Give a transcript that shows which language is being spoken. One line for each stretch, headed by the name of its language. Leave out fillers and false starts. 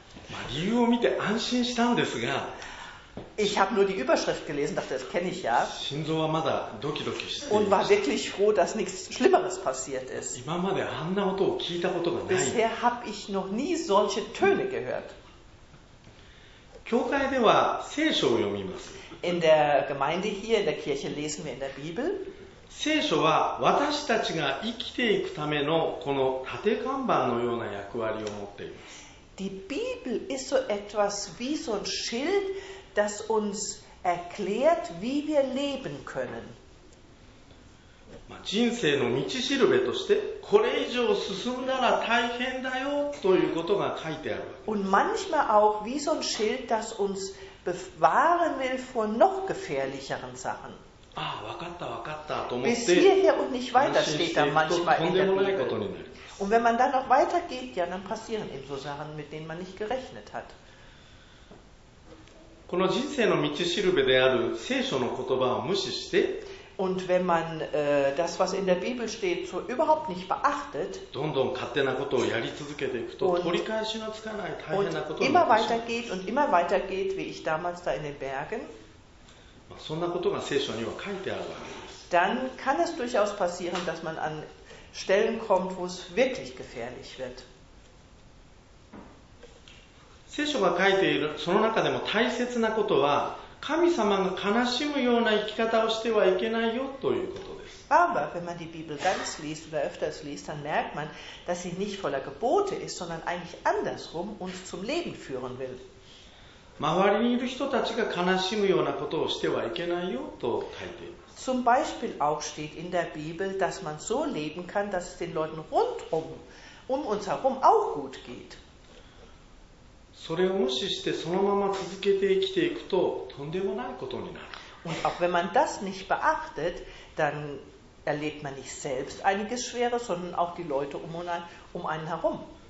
Japanese: まあ理由を見て安心したんですが
German: Ich habe nur die Überschrift gelesen, dachte, das kenne ich ja.
Japanese: 心臓はまだドキドキしていました。
German: Und war wirklich froh, dass nichts Schlimmeres passiert ist.
Japanese: 今まであんな音を聞いたことがない。
German: Bisher habe ich noch nie solche Töne gehört.
Japanese: 教会では聖書を読みます。
German: In der Gemeinde hier, in der Kirche lesen wir in der Bibel.
Japanese: 聖書は私たちが生きていくためのこの立て看板のような役割を持っています。
German: Die Bibel ist so etwas wie so ein Schild,das uns erklärt, wie wir leben können.
Japanese: まあ、人生の道しるべとして、これ以上進んだら大変だよということが書いてある。
German: Und manchmal auch wie so ein Schild, das uns bewahren will vor noch gefährlicheren Sachen.
Japanese: Ah, わかったわかったと思って。
German: Bis hierher und nicht weiter steht da manchmal in der Bibel. Und wenn man dann noch weitergeht, ja, dann passieren eben so Sachen, mit denen man nicht gerechnet hat.
Japanese: この人生の道しるべである聖書の言葉を無視して
German: Und wenn man, das, was in der Bibel steht, so überhaupt nicht beachtet,
Japanese: どんどん勝手なことをやり続けていくと取り返しのつかない大変なことになってしまう
German: immer weiter geht und immer weiter geht, wie ich damals da in den Bergen,
Japanese: そんなことが聖書には書いてあるわけです。
German: Dann kann es durchaus passieren, dass man an Stellen kommt, wo es wirklich gefährlich wird.
Japanese: 聖書が書いているその中でも大切なことは神様が悲しむような生き方をしてはいけないよということです。
German: Aber wenn man die Bibel ganz liest oder öfters liest, dann merkt man, dass sie nicht voller Gebote ist, sondern eigentlich andersrum uns zum Leben führen will.
Japanese: 周りにいる人たちが悲しむようなことをしてはいけないよと書いています。
German: Zum Beispiel auch steht in der Bibel, dass man so leben kann, dass es den Leuten rundum, um uns herum auch gut geht.
Japanese: それを無視してそのまま続けて生きていくととんでもないことになる。
German: Und auch wenn man das nicht beachtet, dann erlebt man nicht selbst einiges Schwere, sondern auch die Leute um einen herum.